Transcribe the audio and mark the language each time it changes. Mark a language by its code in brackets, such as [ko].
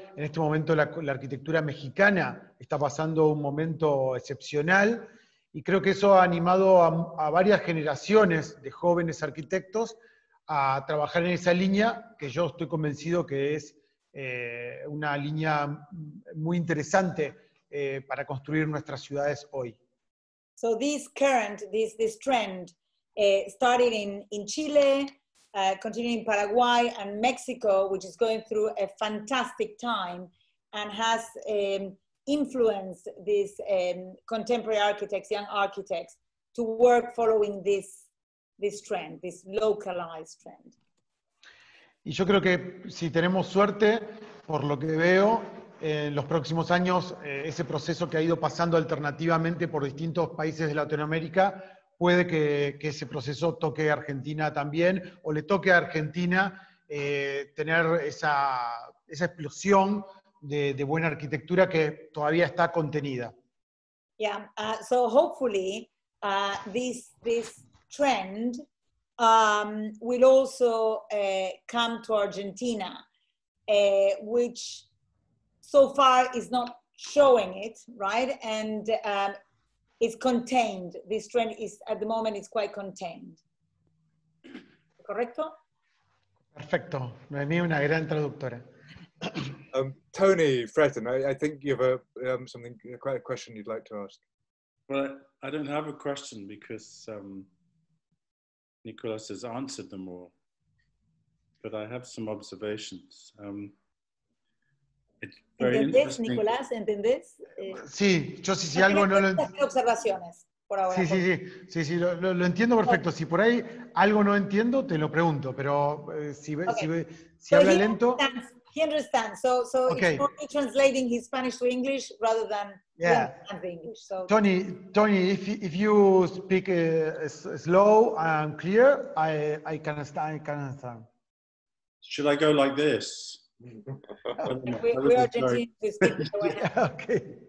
[es] En este momento la arquitectura mexicana está pasando un momento excepcional y creo que eso ha animado a varias generaciones de jóvenes arquitectos a trabajar en esa línea, que yo estoy convencido que es una línea muy interesante para construir nuestras ciudades hoy. [en] So this current, this trend, started in Chile, continuing in Paraguay and Mexico, which is going through a fantastic time and has influenced these contemporary architects, young architects, to work following this trend, this localized trend. [es] Y yo creo que si tenemos suerte, por lo que veo, en los próximos años, ese proceso que ha ido pasando alternativamente por distintos países de Latinoamérica, puede que ese proceso toque a Argentina también, o le toque a Argentina tener esa explosión de buena arquitectura que todavía está contenida. [en] Yeah, so hopefully this trend will also come to Argentina, which so far is not showing it, right? And it's contained. This trend is, at the moment, it's quite contained. [es] ¿Correcto? Perfecto. Me vi una gran traductora. [en] Tony Fretton, I think you have a question you'd like to ask. Well, I don't have a question because Nicolas has answered them all. But I have some observations. [es] ¿Entendés, Nicolás? ¿Entendés? Sí, yo sí, algo no lo entiendo. Observaciones, por ahora. Sí, lo entiendo perfecto. Si por ahí algo no entiendo, te lo pregunto, pero si habla lento. [en] Wants, he understands. So okay. It's more translating his Spanish to English rather than the English. So Tony, if you speak slow and clear, I can understand. Should I go like this? We are Argentinians. Okay.